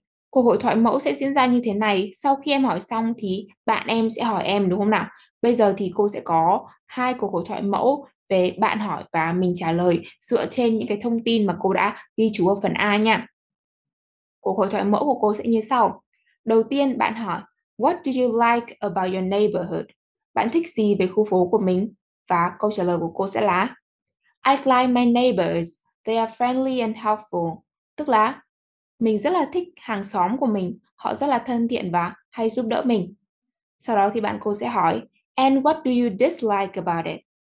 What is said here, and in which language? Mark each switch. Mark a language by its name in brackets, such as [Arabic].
[Vietnamese] Cuộc hội thoại mẫu sẽ diễn ra như thế này. Sau khi em hỏi xong thì bạn em sẽ hỏi em, đúng không nào? Bây giờ thì cô sẽ có hai cuộc hội thoại mẫu về bạn hỏi và mình trả lời dựa trên những cái thông tin mà cô đã ghi chú ở phần A nha. Cuộc hội thoại mẫu của cô sẽ như sau. Đầu tiên bạn hỏi, [English] what do you like about your neighborhood? [Vietnamese] Bạn thích gì về khu phố của mình? Và câu trả lời của cô sẽ là [English] I like my neighbors. They are friendly and helpful. [Vietnamese] Tức là mình rất là thích hàng xóm của mình. Họ rất là thân thiện và hay giúp đỡ mình. Sau đó thì bạn cô sẽ hỏi [English] and what do you dislike about it?